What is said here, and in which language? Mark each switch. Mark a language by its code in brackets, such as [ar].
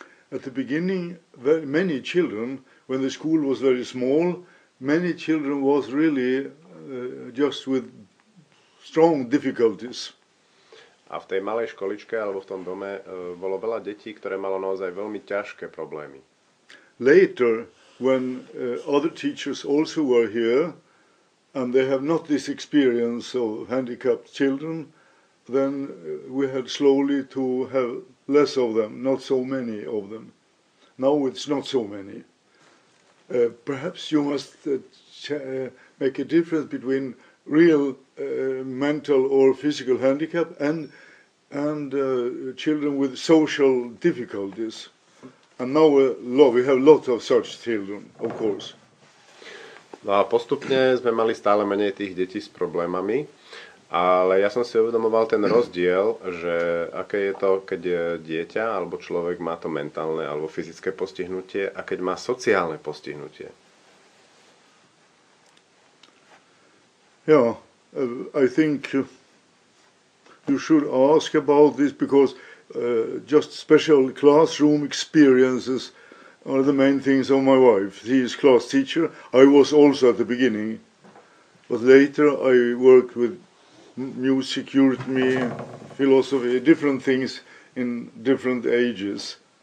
[en] At the beginning, very many children, when the school was very small, many children was really just with strong difficulties. [sk] A v tej malej školičke alebo v tom dome bolo veľa detí, ktoré malo naozaj veľmi ťažké problémy. [en] Later, when other teachers also were here, and they have not this experience of handicapped children, then we had slowly to have less of them, not so many of them. Now it's not so many. Perhaps you must make a difference between real mental or physical handicap and children with social difficulties. And now we have lots of such children, of course. [sk] No a postupne sme mali stále menej tých detí s problémami, ale ja som si uvedomoval ten rozdiel, že aké je to, keď je dieťa alebo človek má to mentálne alebo fyzické postihnutie a keď má sociálne postihnutie. [en] Yeah, I think you should ask about this because just special classroom experiences are the main things of my wife. She is class teacher. I was also at the beginning, but later I worked with music, rhythmy, philosophy, different things in different ages.